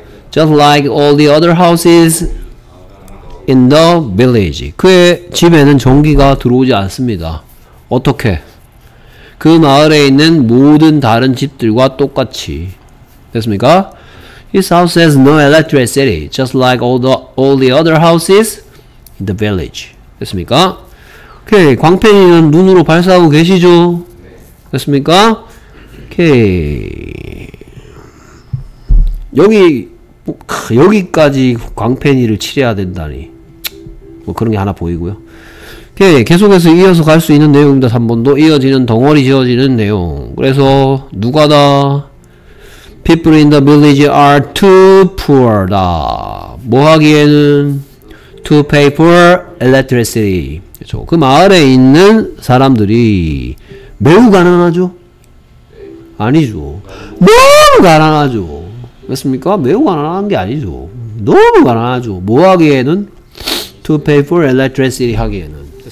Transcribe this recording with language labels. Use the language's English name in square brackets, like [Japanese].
[English] Just like all the other houses in the village. [Korean] 그의 집에는 전기가 들어오지 않습니다. 어떻게? 그 마을에 있는 모든 다른 집들과 똑같이. 됐습니까? [English] His house has no electricity, just like all the other houses in the village. [Korean] 됐습니까? 오케이, 광팬이는 눈으로 발사하고 계시죠? 됐습니까? 오케이. 여기까지 광팬이를 칠해야 된다니. 뭐 그런 게 하나 보이고요. 오케이, 계속해서 이어서 갈 수 있는 내용입니다. 3번도 이어지는 덩어리 지어지는 내용. 그래서 누가다? [English] People in the village are too poor 다. [Korean] 뭐 하기에는? [English] To pay for electricity. [Korean] 그렇죠. 그 마을에 있는 사람들이 매우 가난하죠? 아니죠. 너무 가난하죠. 맞습니까? 매우 가난한 게 아니죠. 너무 가난하죠. 뭐 하기에는? [English] To pay for electricity [Korean] 하기에는.